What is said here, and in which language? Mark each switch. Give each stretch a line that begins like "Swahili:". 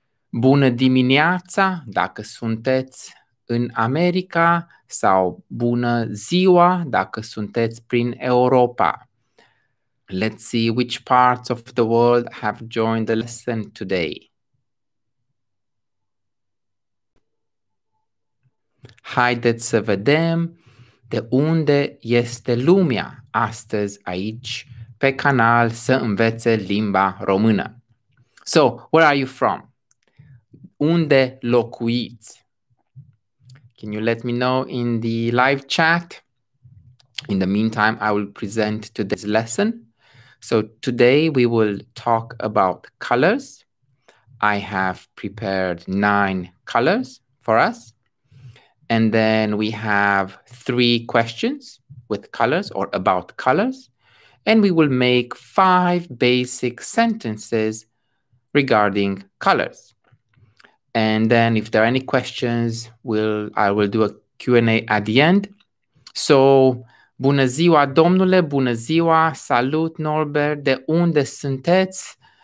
Romanian: Bună dimineața, dacă sunteți în America, sau bună ziua, dacă sunteți prin Europa.
English: Let's see which parts of the world have joined the lesson today.
Romanian: Haideți să vedem de unde este lumea astăzi aici. Pe canal să învețe limba română.
English: So, where are you from?
Romanian: Unde locuiți?
English: Can you let me know in the live chat? In the meantime, I will present today's lesson. So, today we will talk about colors. I have prepared nine colors for us. And then we have three questions with colors or about colors. And we will make five basic sentences regarding colors. And then if there are any questions, I will do a Q&A at the end.
Romanian: So, bună ziua, domnule, bună ziua, salut, Norbert, de unde sunteți?